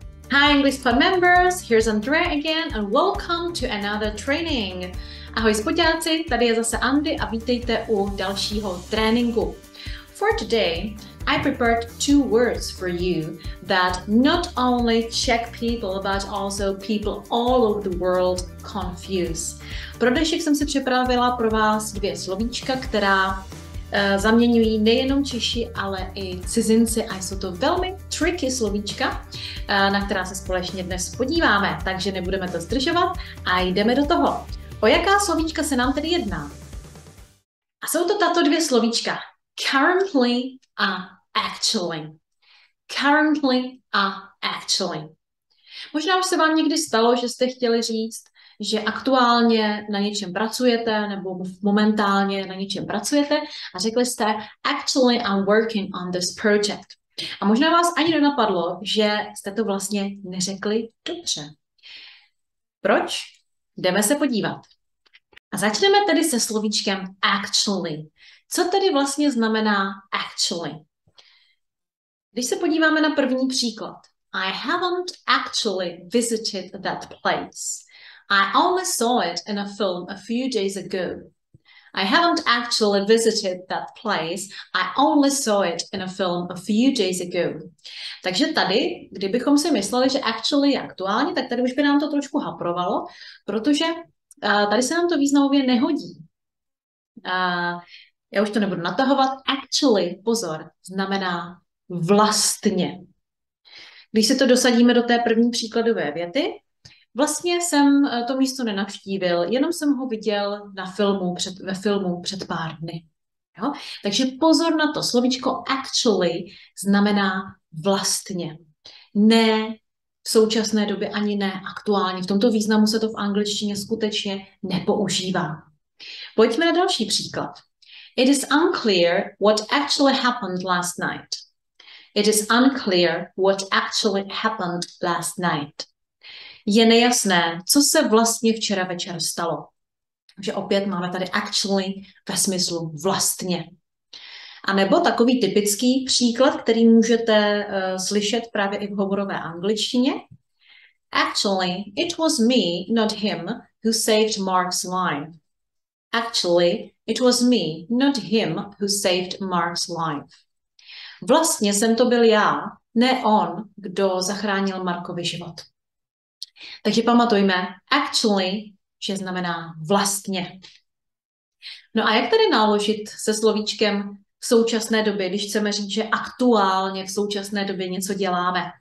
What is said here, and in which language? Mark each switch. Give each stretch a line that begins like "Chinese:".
English: Hi, English Club members, here's Andrea again and welcome to another training.
Czech: Ahoj spoťáci, tady je zase Andy a vítejte u dalšího tréninku.
English: For today, I prepared two words for you that not only Czech people, but also people all over the world confuse.
Czech: Pro dnešek jsem si připravila pro vás dvě slovíčka, která zaměňují nejenom Češi, ale i cizinci a jsou to velmi tricky slovíčka, na která se společně dnes podíváme, takže nebudeme to zdržovat a jdeme do toho. O jaká slovíčka se nám tedy jedná? A jsou to tato dvě slovíčka.
English: Currently a actually. Currently a actually.
Czech: Možná už se vám někdy stalo, že jste chtěli říct, že aktuálně na něčem pracujete nebo momentálně na něčem pracujete a řekli jste
English: actually I'm working on this project.
Czech: A možná vás ani nenapadlo, že jste to vlastně neřekli dobře. Proč? Jdeme se podívat. A začneme tedy se slovíčkem actually. Co tedy vlastně znamená actually? Když se podíváme na první příklad.
English: I haven't actually visited that place. I only saw it in a film a few days ago. I haven't actually visited that place. I only saw it in a film a few days ago.
Czech: Takže tady, kdybychom si mysleli, že actually je aktuálně, tak tady už by nám to trošku haprovalo, protože tady se nám to významově nehodí. Já už to nebudu natahovat. Actually, pozor, znamená vlastně. Když se to dosadíme do té první příkladové věty, vlastně jsem to místo nenavštívil, jenom jsem ho viděl ve filmu před pár dny. Jo? Takže pozor na to, slovíčko actually znamená vlastně. Ne v současné době, ani ne aktuálně. V tomto významu se to v angličtině skutečně nepoužívá. Pojďme na další příklad.
English: It is unclear what actually happened last night. It is unclear what actually happened last night.
Czech: Je nejasné, co se vlastně včera večer stalo. Takže opět máme tady actually ve smyslu vlastně. A nebo takový typický příklad, který můžete slyšet právě i v hovorové angličtině.
English: Actually, it was me, not him, who saved Mark's life. Actually, it was me, not him, who saved Mark's life.
Czech: Vlastně jsem to byl já, ne on, kdo zachránil Markovi život. Takže pamatujme, actually, že znamená vlastně. No a jak tady naložit se slovíčkem v současné době, když chceme říct, že aktuálně v současné době něco děláme?